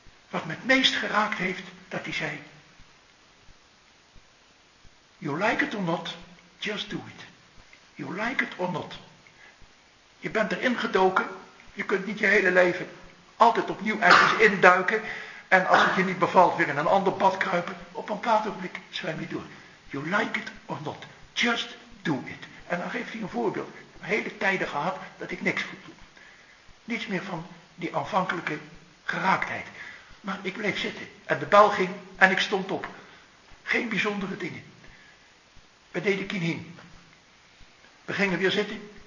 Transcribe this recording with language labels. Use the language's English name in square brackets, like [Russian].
[Dutch] Wat me het meest geraakt heeft, dat hij zei, [English] you like it or not, just do it. You like it or not. [Dutch] Je bent erin gedoken, je kunt niet je hele leven altijd opnieuw ergens induiken. En als het je niet bevalt, weer in een ander bad kruipen. Op een bepaald ogenblik zwem je door. [English] You like it or not, just do it. [Dutch] En dan geeft hij een voorbeeld. Een hele tijden gehad dat ik niks goed doe. Niets meer van die aanvankelijke geraaktheid. Maar ik bleef zitten en de bel ging en ik stond op. Geen bijzondere dingen. We deden kinin. We gingen weer zitten.